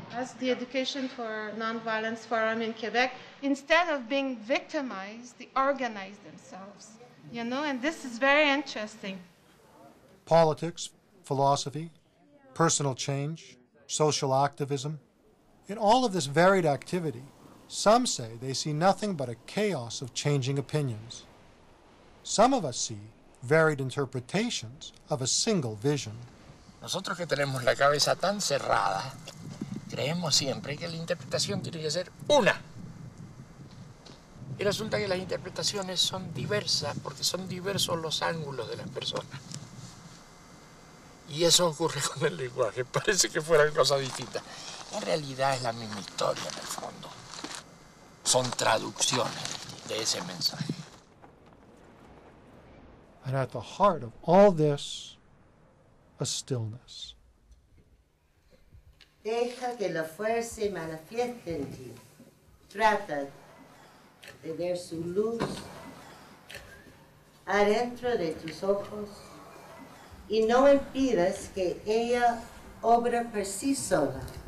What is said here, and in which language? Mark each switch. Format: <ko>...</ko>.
<en>As the education for nonviolence forum in Quebec, instead of being victimized, they organize themselves, you know, and this is very interesting. Politics, philosophy, personal change, social activism. In all of this varied activity, some say they see nothing but a chaos of changing opinions. Some of us see varied interpretations of a single vision.</en> <es>Nosotros que tenemos la cabeza tan cerrada, creemos siempre que la interpretación tiene que ser una. Y resulta que las interpretaciones son diversas porque son diversos los ángulos de las personas. Y eso ocurre con el lenguaje, parece que fueran cosas distintas. En realidad es la misma historia en el fondo. Son traducciones de ese mensaje.</es> <en>And at the heart of all this, a stillness.</en> <es>Deja que la fuerza se manifieste en ti. Trata de ver su luz adentro de tus ojos y no impidas que ella obra por sí sola.</es>